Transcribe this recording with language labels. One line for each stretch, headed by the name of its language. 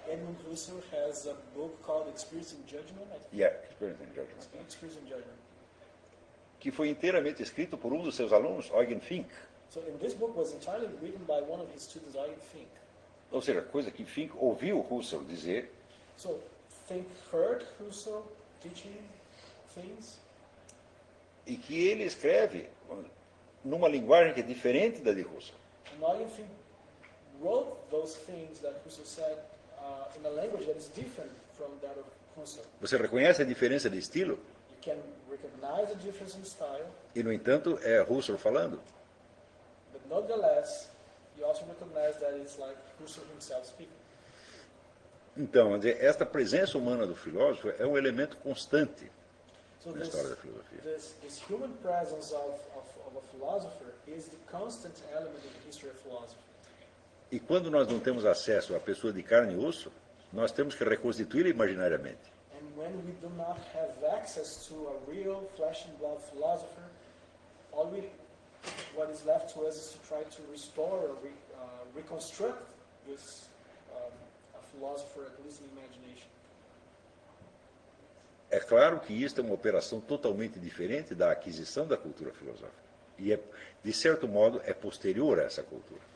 English: Edmund Husserl has a book called Experience and Judgment, I think. Yeah, Experience and Judgment. Experience and Judgment.
Portuguese: Que foi inteiramente escrito por um dos seus alunos, Eugen Fink.
English: So in this book was entirely written by one of his students, Eugen Fink.
Portuguese: Ou seja, coisa que Fink ouviu Husserl dizer.
English: So, Fink heard Husserl teaching things.
Portuguese: E que ele escreve numa linguagem que é diferente da de Husserl.
English: And Eugen Fink wrote those things that Husserl said in a language that is different from that of Husserl.
Portuguese: Você reconhece a diferença de estilo?
English: You can recognize the difference in style.
Portuguese: E, no entanto, é Husserl falando.
English: But nonetheless, you also recognize that it's like Husserl himself speaking.
Portuguese: Então, esta presença humana do filósofo é um elemento constante na história da filosofia.
English: This human presence of a philosopher is the constant element in the history of philosophy.
Portuguese: E quando nós não temos acesso à pessoa de carne e osso, nós temos que reconstituí-la imaginariamente.
English: And when we do not have access to a real flesh and blood philosopher, what is left to us is to try to restore or reconstruct this a philosopher, at least in imagination.
Portuguese: É claro que isto é uma operação totalmente diferente da aquisição da cultura filosófica. E, é, de certo modo, é posterior a essa cultura.